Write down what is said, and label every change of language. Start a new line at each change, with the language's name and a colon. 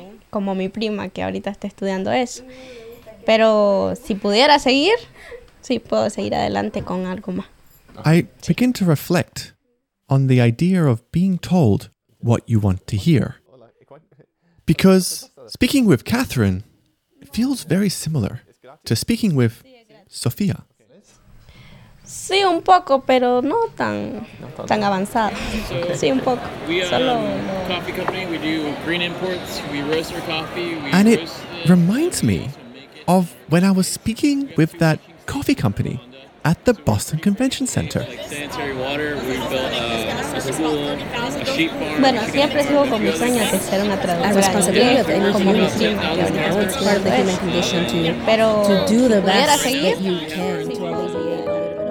Spanish: Como mi prima que ahorita está estudiando eso. Pero si pudiera seguir, sí puedo seguir adelante con algo más.
English: I begin to reflect on the idea of being told what you want to hear. Because speaking with Catherine feels very similar to speaking with Sofía.
Spanish: Sí, un poco, pero no tan avanzado. Sí, un poco.
English: We are a coffee company. We do green imports. We roast our coffee. And it reminds me of when I was speaking with that coffee company at the Boston Convention Center. Sanitary water. We built a school, a sheep farm.
Spanish: Bueno, siempre sigo con mi sueño de ser una traductora. La responsabilidad de tener como mi sueño.
English: It's part of the human condition to do the best that you can.